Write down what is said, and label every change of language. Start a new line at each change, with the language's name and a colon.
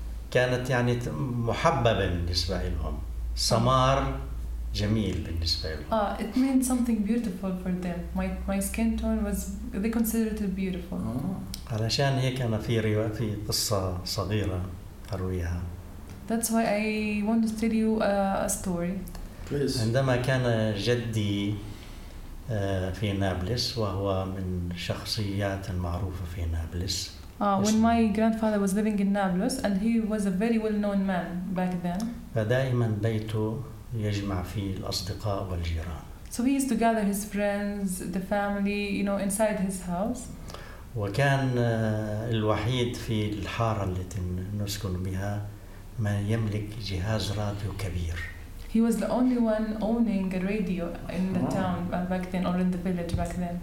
Arabic: كانت يعني محببة بالنسبة لهم. سمار جميل بالنسبة لهم.
English: It meant something beautiful for them. My skin tone was. They considered it beautiful.
Arabic: علشان هيك أنا في قصة صغيرة أرويها.
English: That's why I want to tell you a story. Please.
Arabic: عندما كان جدي في نابلس وهو من شخصيات المعروفة في نابلس.
English: When my grandfather was living in Nablus and he was a very well-known man back then.
Arabic: فدائما بيته يجمع فيه الأصدقاء والجيران.
English: So he used to gather his friends, the family, you know, inside his house.
Arabic: وكان الوحيد في الحارة التي نسكن بها من يملك جهاز راديو كبير.
English: He was the only one owning a radio in the town back then, or in the village back then.